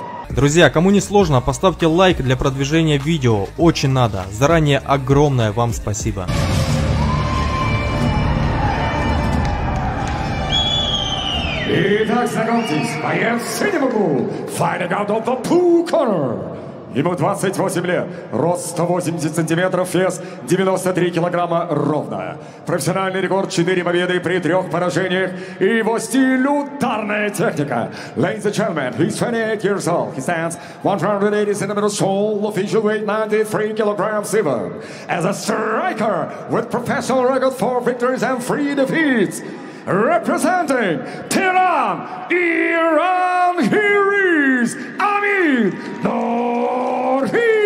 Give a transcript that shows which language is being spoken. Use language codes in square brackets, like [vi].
[ru] Друзья, кому не сложно, поставьте лайк для продвижения видео. Очень надо. Заранее огромное вам спасибо. Итак, знакомьтесь, боец Синемагу. [en] Fighting out of the pool corner. [ru] Ему 28 лет, рост 180 сантиметров, вес 93 килограмма ровно. Профессиональный рекорд 4 победы при 3 поражениях и его стиль ударная техника. [en] Ladies and gentlemen, he's 28 years old. He stands 180 centimeters tall, official weight 93 kilograms even. As a striker with professional record 4 victories and 3 defeats, representing Tehran, Iran, here is Amid Norhi.